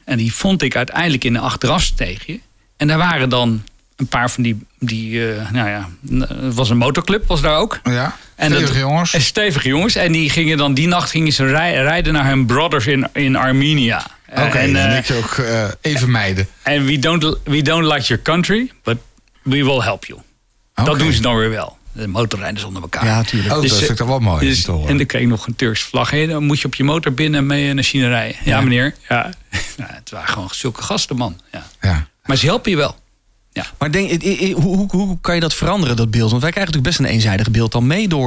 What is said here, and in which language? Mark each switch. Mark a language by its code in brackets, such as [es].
[nl] En die vond ik uiteindelijk in een achterafsteegje. En daar waren dan een paar van het was een motorclub, was daar ook. Ja, stevige jongens. Stevige jongens. En die gingen dan die nacht gingen ze rijden naar hun brothers in Armenië. Oké, dan moet je ook even mijden. [en] En we don't like your country, but we will help you. [nl] Okay. Dat doen ze dan weer wel. De motorrijders onder elkaar. Ja, tuurlijk. Oh, dus, dat vind ik wel mooi. Dus, en dan kreeg ik nog een Turks vlag. En dan moet je op je motor binnen mee naar China rijden. Ja, ja. Meneer. Ja. Nou, het waren gewoon zulke gasten, man. Ja. Ja. Maar ze helpen je wel. Ja. Maar hoe kan je dat veranderen, dat beeld? Want wij krijgen natuurlijk best een eenzijdig beeld dan mee.